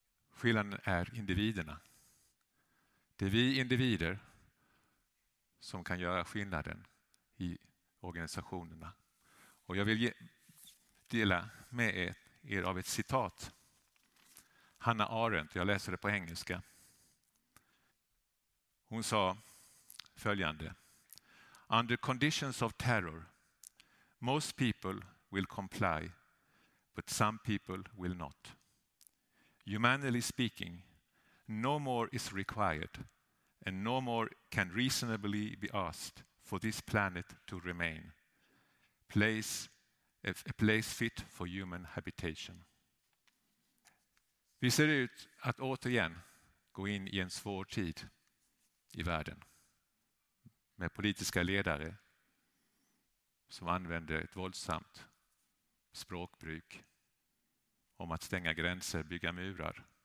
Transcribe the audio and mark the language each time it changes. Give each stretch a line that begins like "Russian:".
Swedish: Skillnaden är individerna. Det är vi individer som kan göra skillnaden i organisationerna. Och jag vill dela med er av ett citat. Hannah Arendt, jag läser det på engelska. Hon sa följande.
English: Under conditions of terror, most people will comply, but some people will not. Humanly speaking, no more is required and no more can reasonably be asked for this planet to remain a place fit for human habitation.
Swedish: Vi ser ut att återigen gå in i en svår tid i världen med politiska ledare som använder ett våldsamt språkbruk om att stänga gränser, bygga murar.